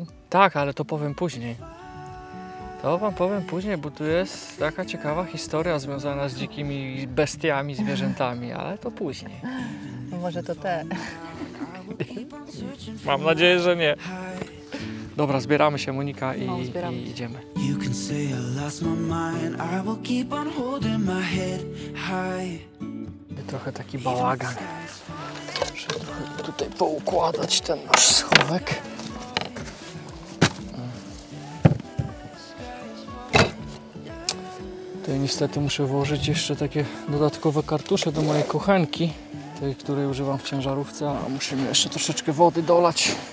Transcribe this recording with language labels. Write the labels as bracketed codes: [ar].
[pl] Tak, ale to powiem później. To wam powiem później, bo tu jest taka ciekawa historia związana z dzikimi bestiami, zwierzętami, ale to później. Może to te. Mam nadzieję, że nie. Dobra, zbieramy się, Monika, i idziemy. [en] You can say I lost my mind, I will keep on holding my head high. [pl] Trochę taki bałagan. Muszę trochę tutaj poukładać ten nasz schowek. Tutaj niestety muszę włożyć jeszcze takie dodatkowe kartusze do mojej kuchenki, tej, której używam w ciężarówce, a musimy jeszcze troszeczkę wody dolać.